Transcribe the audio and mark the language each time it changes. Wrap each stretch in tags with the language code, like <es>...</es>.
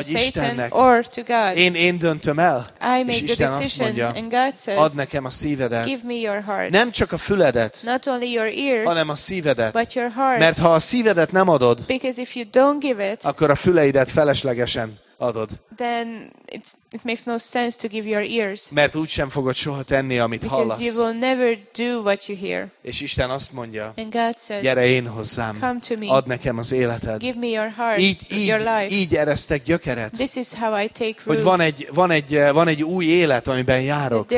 <hu>Istennek.</hu> <en>Satan, or to God.</en> <hu>Én döntöm el.</hu> <en>I make</en> <hu>és Isten</hu> <en>the decision,</en> <hu>azt mondja,</hu> <en>and God says,</en> <hu>add nekem a szívedet.</hu> <en>Give me your heart.</en> <hu>Nem csak a füledet.</hu> <en>Not only your ears.</en> <hu>Hanem a szívedet.</hu> <en>But your heart.</en> <hu>Mert ha a szívedet nem adod,</hu> <en>because if you don't give it,</en> <hu>akkor a füleidet feleslegesen adod.</hu> <en>Then it makes no sense to give your ears.</en> <hu>Mert úgysem fogod soha tenni, amit</hu> <en>because</en> <hu>hallasz.</hu> <en>You will never do what you hear.</en> <hu>És Isten azt mondja,</hu> <en>and God says,</en> <hu>gyere én hozzám,</hu> <en>come to me,</en> <hu>add nekem az életed.</hu> <en>Give me your heart,</en> <hu>így,</hu> <en>your life.</en> <hu>Így eresztek gyökeret.</hu> <en>This is how I take root.</en> <hu>Hogy van egy új élet, amiben járok.</hu>